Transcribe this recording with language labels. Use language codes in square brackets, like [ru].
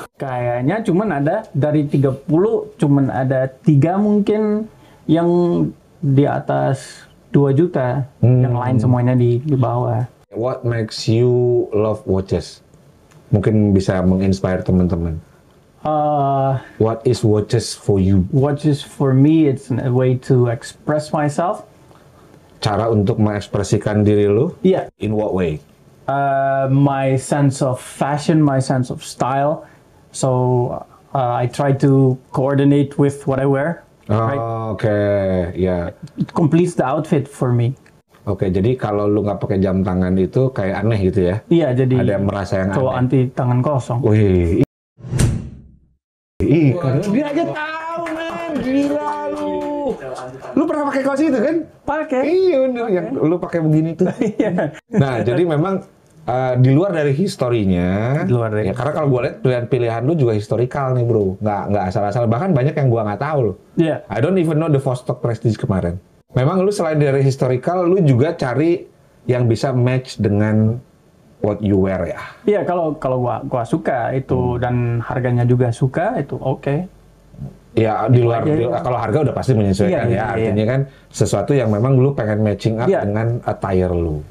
[id] Kayaknya cuman ada, dari 30, cuman ada 3 mungkin yang di atas 2 juta. Hmm. Yang lain semuanya di bawah. [en] What makes you love watches? [id] Mungkin bisa menginspire teman-teman. [en] What is watches for you? Watches for me, it's a way to express myself. [id] Cara untuk mengekspresikan diri lu? [en] Yeah. In what way? My sense of fashion, my sense of style. So I try to coordinate with what I wear. Oh, right? Okay, yeah. It completes the outfit for me. [id] Oke, jadi kalau lu nggak pakai jam tangan itu kayak aneh gitu ya? Iya, jadi ada yang merasa yang aneh. Kalau anti tangan kosong. Wih, dia aja tahu, men, gila lu. Lu pernah pakai kaos itu kan? Pakai. Iya, bener. Yang lu pakai begini tuh. Nah, jadi memang di luar dari historinya. Di luar dari. Ya, karena kalau gue lihat pilihan-pilihan lu juga historical nih, bro. Nggak asal-asal. Bahkan banyak yang gue nggak tahu lo. Iya. [en] Yeah. I don't even know the Vostok Prestige kemarin. [id] Memang lu selain dari historical, lu juga cari yang bisa match dengan [en] what you wear [id] ya? Iya, kalau gua suka itu dan harganya juga suka, itu oke. Ya di luar, kalau harga udah pasti menyesuaikan ya. Artinya kan sesuatu yang memang lu pengen matching up dengan attire lu.